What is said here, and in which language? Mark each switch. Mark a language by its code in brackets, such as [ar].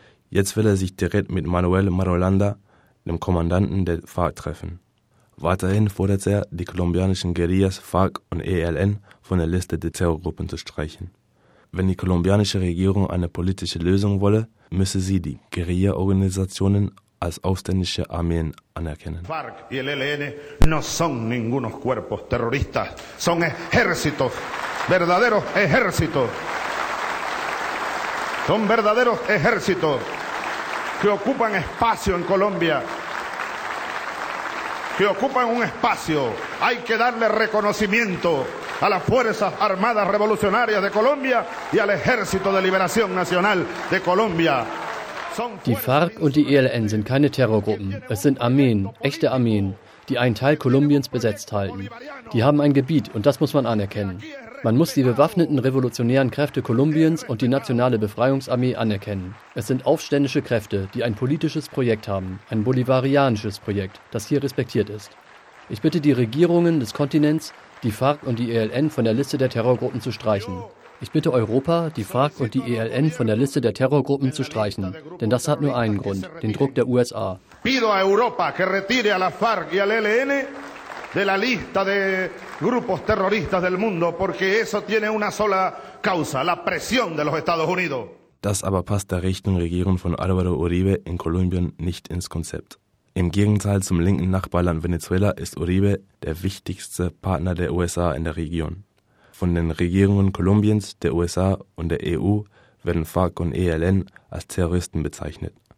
[de] Jetzt will er sich direkt mit Manuel Marulanda, dem Kommandanten der FARC, treffen. Weiterhin fordert er, die kolumbianischen Guerillas FARC und ELN von der Liste der Terrorgruppen zu streichen. Wenn die kolumbianische Regierung eine politische Lösung wolle, müsse sie die Guerilla-Organisationen als aufständische Armeen anerkennen. [es] FARC y el ELN no son ningunos cuerpos terroristas, son ejércitos, verdaderos ejércitos. Son verdaderos ejércitos. Que ocupan espacio en Colombia. Que ocupan un espacio. Hay que darle reconocimiento. a las Fuerzas Armadas Revolucionarias de Colombia y al Ejército de Liberación Nacional de Colombia. [de] Die FARC und die ELN sind keine Terrorgruppen. Es sind Armeen, echte Armeen, die einen Teil Kolumbiens besetzt halten. Die haben ein Gebiet und das muss man anerkennen. Man muss die bewaffneten revolutionären Kräfte Kolumbiens und die nationale Befreiungsarmee anerkennen. Es sind aufständische Kräfte, die ein politisches Projekt haben, ein bolivarianisches Projekt, das hier respektiert ist. Ich bitte die Regierungen des Kontinents, die FARC und die ELN von der Liste der Terrorgruppen zu streichen. Ich bitte Europa, die FARC und die ELN von der Liste der Terrorgruppen zu streichen, denn das hat nur einen Grund, den Druck der USA. [es] Pido a Europa que retire a la FARC y al ELN de la lista de grupos terroristas del mundo, porque eso tiene una sola causa, la presión de los Estados Unidos. [de] Das aber passt der rechten Regierung von Álvaro Uribe in Kolumbien nicht ins Konzept. Im Gegenteil zum linken Nachbarland Venezuela ist Uribe der wichtigste Partner der USA in der Region. Von den Regierungen Kolumbiens, der USA und der EU werden FARC und ELN als Terroristen bezeichnet.